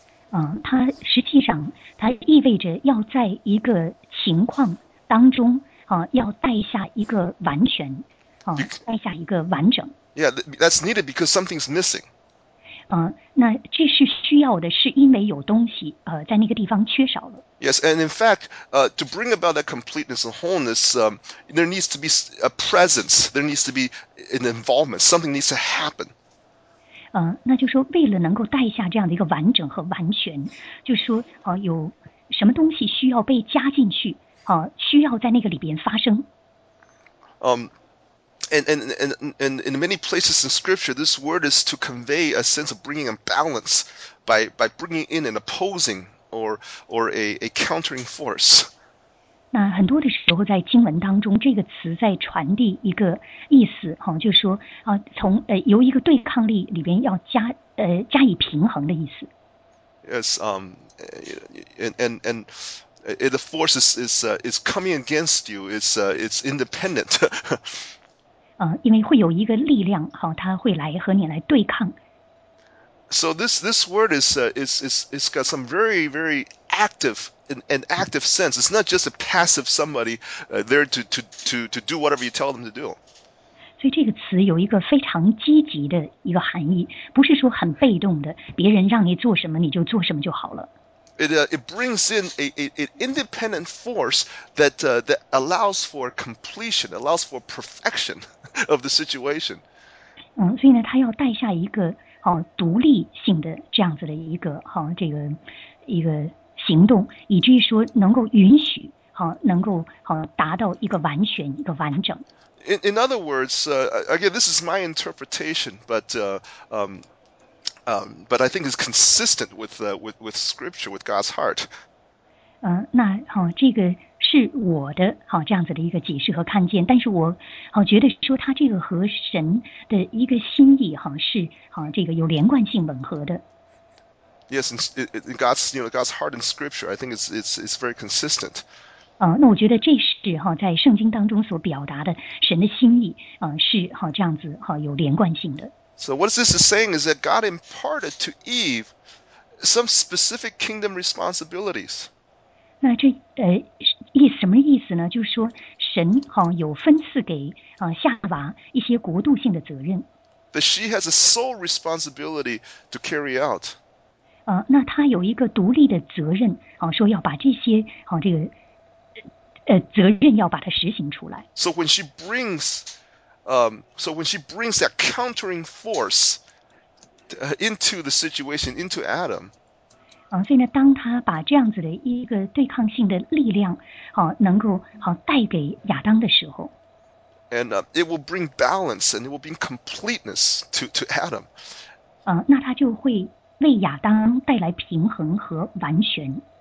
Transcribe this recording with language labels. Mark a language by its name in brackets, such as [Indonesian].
[Chinese] 它实际上它意味着要在一个情况当中要带下一个完全带下一个完整。 [English] Yeah, that's needed because something's missing. [Chinese] 那这是需要的是因为有东西在那个地方缺少了。 [English] Yes, and in fact, to bring about that completeness and wholeness, there needs to be a presence, there needs to be an involvement, something needs to happen. [Chinese] 那就说为了能够带下这样的一个完整和完全，就说有什么东西需要被加进去需要在那个里边发生。 [English] And in many places in scripture, this word is to convey a sense of bringing a balance by bringing in an opposing or a countering force. [Chinese] 那很多的时候在经文当中，这个词在传递一个意思就是说从由一个对抗力里边要加以平衡的意思。 [English] Yes, and the force is coming against you. It's independent. [Chinese] 因为会有一个力量它会来和你来对抗。 [English] So this word is got some very very active an active sense. It's not just a passive somebody there to do whatever you tell them to do. [Chinese] 所以这个词有一个非常积极的一个含义，不是说很被动的，别人让你做什么你就做什么就好了。 [English] It brings in an independent force that allows for completion, allows for perfection of the situation. [Chinese] 所以呢，他要带下一个独立性的这样子的一个这个一个行动，以至于说能够允许能够达到一个完全一个完整。 [English] In other words, again, this is my interpretation, but I think it's consistent with Scripture, with God's heart. [Chinese] 那这个是我的这样子的一个解释和看见，但是我觉得说他这个和神的一个心意是这个有连贯性吻合的。 [English] Yes, in God's God's heart in Scripture, I think it's very consistent. [Chinese] 那我觉得这是在圣经当中所表达的神的心意是这样子有连贯性的。 [English] So what this is saying is that God imparted to Eve some specific kingdom responsibilities. [Chinese] 那这什么意思呢？就是说神有分赐给夏娃一些国度性的责任。 [English] That she has a sole responsibility to carry out. [Chinese] 那他有一个独立的责任说要把这些这个责任要把它实行出来。 [English] So when she brings, so when she brings that countering force into the situation, into Adam, [Chinese] 所以呢，当他把这样子的一个对抗性的力量，能够带给亚当的时候 [English] ，and it will bring balance and it will bring completeness to Adam。 [Chinese] 那他就会为亚当带来平衡和完全。